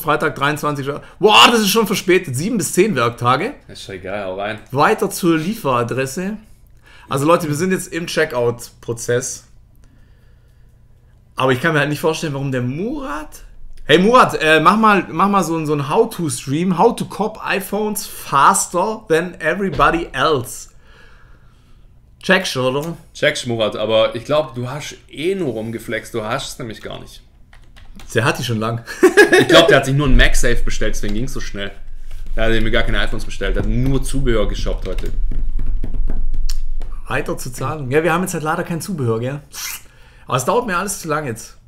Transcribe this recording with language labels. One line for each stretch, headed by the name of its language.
German: Freitag 23 Uhr. Boah, das ist schon verspätet. 7 bis 10 Werktage. Ist schon egal, hau rein. Weiter zur Lieferadresse. Also Leute, wir sind jetzt im Checkout-Prozess. Aber ich kann mir halt nicht vorstellen, warum der Murat... Hey Murat, mach mal so ein How-To-Stream.
English: How to cop iPhones faster than everybody else.
German: Checkst du, oder? Checkst, Murat. Aber ich glaube, du hast eh nur rumgeflext. Du hast es nämlich gar nicht. Der hat die schon lang. Ich glaube, der hat sich nur ein MagSafe bestellt. Deswegen ging es so schnell. Der hat mir gar keine iPhones bestellt. Der hat nur Zubehör geshoppt heute. Weiter zu zahlen. Ja, wir haben jetzt halt leider kein Zubehör, gell? Aber es dauert mir alles zu lang jetzt.